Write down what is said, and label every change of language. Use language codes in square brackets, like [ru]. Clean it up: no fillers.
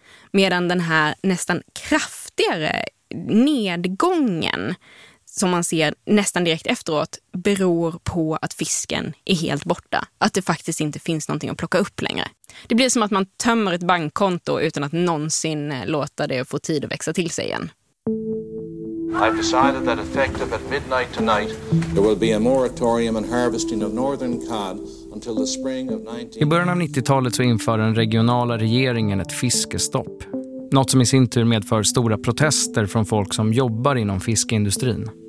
[sv] Medan den här nästan kraftigare nedgången som man ser nästan direkt efteråt beror på att fisken är helt borta. Att det faktiskt inte finns någonting att plocka upp längre. Det blir som att man tömmer ett bankkonto utan att någonsin låta det få tid att växa till sig igen. [en] I've decided that effective at midnight tonight there will be a moratorium on harvesting of northern cod until the spring of 19... [sv] I början av 90-talet så inför den regionala regeringen ett fiskestopp. Något som i sin tur medför stora protester från folk som jobbar inom fiskeindustrin.